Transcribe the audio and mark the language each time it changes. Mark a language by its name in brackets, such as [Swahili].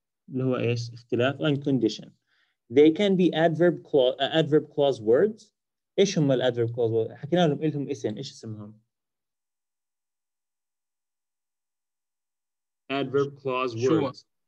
[Arabic] اللي هو إيش اختلاف [English] and condition. They can be adverb clause adverb clause words. [Arabic] إيش هم ال adverb clause words؟ حكينا لهم قلتهم اسم إيش اسمهم؟ adverb clause words.